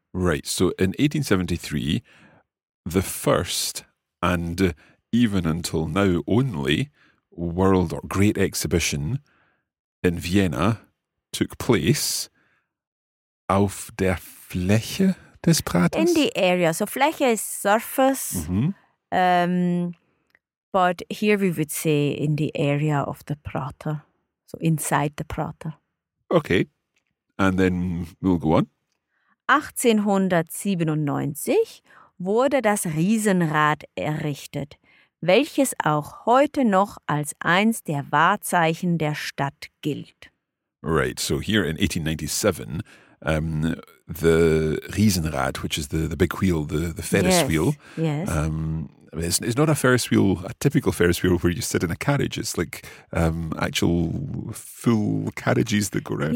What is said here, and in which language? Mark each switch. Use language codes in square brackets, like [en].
[en] Right. So in 1873, the first and even until now only world or great exhibition in Vienna took place [de] auf der Fläche des Prates? [en] In the area. So Fläche is surface. Mm-hmm. But here we would say in the area of the Prater. So inside the Prater. Okay. And then we'll go on. [de] 1897 wurde das Riesenrad errichtet, welches auch heute noch als eins der Wahrzeichen der Stadt gilt. [en] Right, so here in 1897, the Riesenrad, which is the big wheel, the Ferris yes, wheel. Yes. It's not a Ferris wheel, a typical Ferris wheel where you sit in a carriage. It's like actual full carriages that go around.